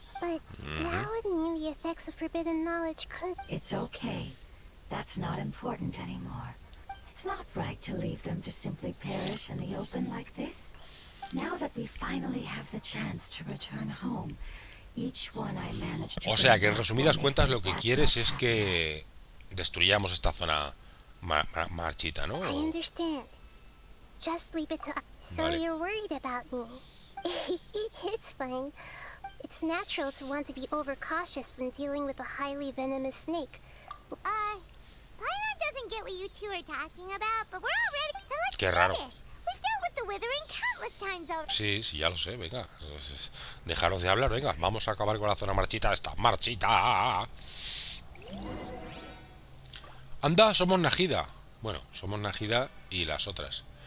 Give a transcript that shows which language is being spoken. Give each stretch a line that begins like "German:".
English: But that would mean the effects of forbidden knowledge could... It's okay. That's not important anymore. It's not right to leave them to simply perish in the open like this. Now that we finally have the chance to return home, each one I managed to...
Spanish: O sea, que en resumidas cuentas lo que quieres es que destruyamos esta zona marchita, ¿no?
English: I understand. Just leave it to... So
Spanish: vale.
English: You're worried about me. It's fine. It's natural to want to be overcautious when dealing with a highly venomous snake. Paimon doesn't get what you two are talking about, but we're already...
Spanish: Qué raro.
English: We've dealt with the withering countless times over.
Spanish: Sí, sí, ya lo sé, venga. Dejaros de hablar, venga. Vamos a acabar con la zona marchita esta. ¡Marchita! Anda, somos Nahida. Bueno, somos Nahida y las otras.